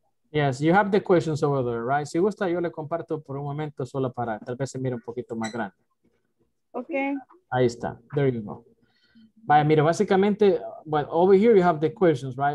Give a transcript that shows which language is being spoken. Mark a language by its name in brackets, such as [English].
[English] Yes, you have the questions over there, right? [Spanish] Si gusta, yo le comparto por un momento solo para tal vez se mire un poquito más grande. [English] Okay. [Spanish] Ahí está. [English] There you go. [Spanish] Vaya, mira, básicamente, [English] well, over here you have the questions, right?